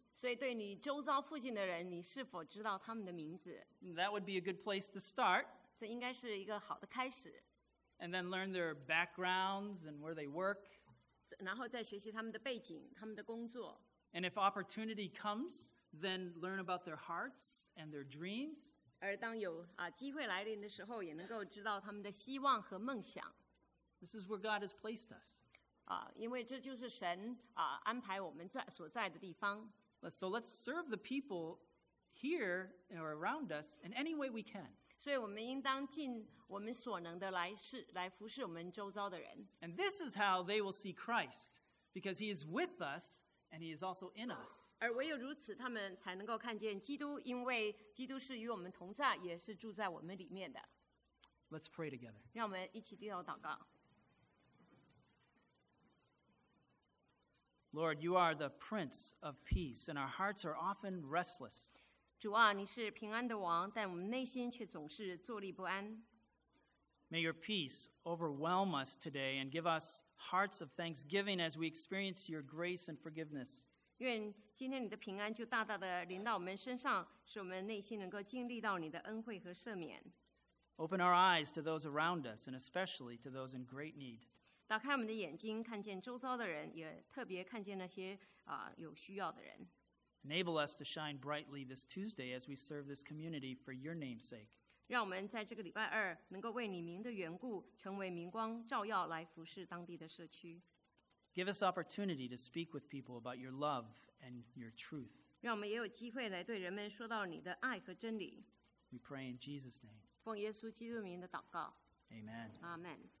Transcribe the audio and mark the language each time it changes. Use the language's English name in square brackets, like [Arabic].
[Chinese] 所以对你周遭附近的人，你是否知道他们的名字？ [English] That would be a good place to start. [Chinese] 所以应该是一个好的开始。 [English] And then learn their backgrounds and where they work. [Chinese] 然后再学习他们的背景，他们的工作。 [English] And if opportunity comes, then learn about their hearts and their dreams. [Chinese] 而当有机会来临的时候，也能够知道他们的希望和梦想。 [English] This is where God has placed us. [Chinese] 因为这就是神安排我们所在的地方。 [English] So let's serve the people here or around us in any way we can. [Chinese] 所以我们应当尽我们所能的来服侍我们周遭的人。 [English] And this is how they will see Christ, because He is with us and He is also in us. [Chinese] 而唯有如此，他们才能够看见基督，因为基督是与我们同在，也是住在我们里面的。 [English] Let's pray together. [Chinese] 让我们一起低头祷告。 [English] Lord, You are the Prince of Peace, and our hearts are often restless. [Chinese] 主啊，你是平安的王，但我们内心却总是坐立不安。 [English] May your peace overwhelm us today and give us hearts of thanksgiving as we experience your grace and forgiveness. [Chinese] 愿今天你的平安就大大的临到我们身上，使我们内心能够经历到你的恩惠和赦免。 [English] Open our eyes to those around us and especially to those in great need. [Chinese] 打开我们的眼睛，看见周遭的人，也特别看见那些有需要的人。 [English] Enable us to shine brightly this Tuesday as we serve this community for your name's sake. [Chinese] 让我们在这个礼拜二能够为你名的缘故，成为明光照耀，来服侍当地的社区。 [English] Give us opportunity to speak with people about your love and your truth. [Chinese] 让我们也有机会来对人们说到你的爱和真理。 [English] We pray in Jesus' name. [Chinese] 奉耶稣基督名的祷告。 [English] Amen. Amen.